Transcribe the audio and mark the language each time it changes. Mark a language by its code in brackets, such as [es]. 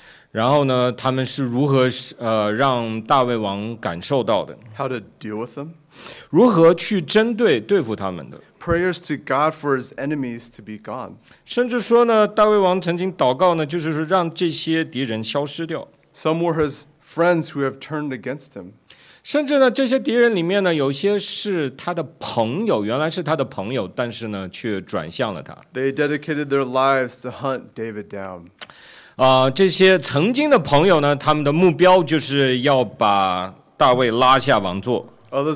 [zh] 然后呢，他们是如何让大卫王感受到的？ [en] How to deal with them? [zh] 如何去针对对付他们的？ [en] Prayers to God for his enemies to be gone. [zh] 甚至说呢，大卫王曾经祷告呢，就是让这些敌人消失掉。 [en] Some were his friends who have turned against him. [zh] 甚至呢，这些敌人里面呢，有些是他的朋友，原来是他的朋友，但是呢，却转向了他。 [en] They dedicated their lives to hunt David down. [zh] 这些曾经的朋友呢，他们的目标就是要把大卫拉下王座。 [en] Others